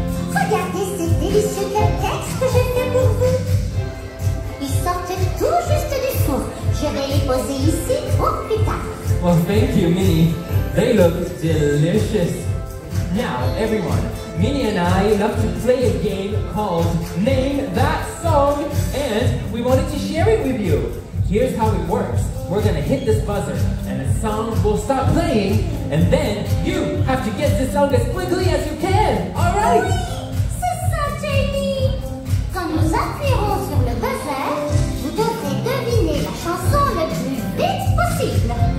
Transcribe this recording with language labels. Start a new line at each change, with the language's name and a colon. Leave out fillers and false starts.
French: Regardez ces délicieux cupcakes que j'ai fait pour vous! Ils sortent tout juste du four. Je vais les poser ici pour plus tard.
English: Well, thank you, Minnie. They look delicious. Now, everyone, Minnie and I love to play a game called Name That Song, and we wanted to share it with you. Here's how it works. We're gonna hit this buzzer, and a song will start playing, and then you have to get this song as quickly as you can, all right?
French: Oui, c'est ça, Jamie. Quand nous appuyons sur le buzzer, vous devez deviner la chanson le plus vite possible.